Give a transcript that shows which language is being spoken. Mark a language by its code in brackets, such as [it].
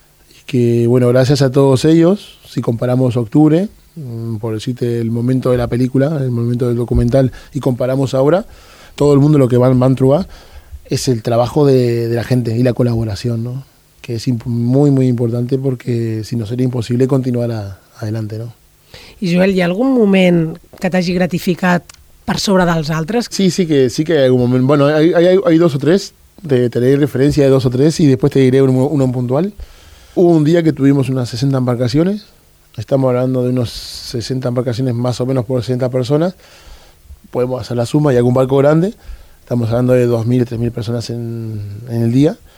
[es] Y que, bueno, gracias a todos ellos, si comparamos octubre, por decirte, el momento de la película, el momento del documental, y comparamos ahora, todo el mundo lo que van a trobar es el trabajo de la gente y la colaboración, ¿no? Que es muy, muy importante, porque si no sería imposible continuar adelante, ¿no? [ca] I Joel, hi ha algun moment que t'hagi gratificat per sobre dels altres? Sí que hi ha algun moment. [es] Bueno, hay dos o tres, tenéis referencia de dos o tres, y después te diré uno puntual. Hubo un día que tuvimos unas 60 embarcaciones estamos hablando de unos 60 embarcaciones más o menos por 60 personas, podemos hacer la suma, y algún barco grande, estamos hablando de 2.000, 3.000 personas en el día.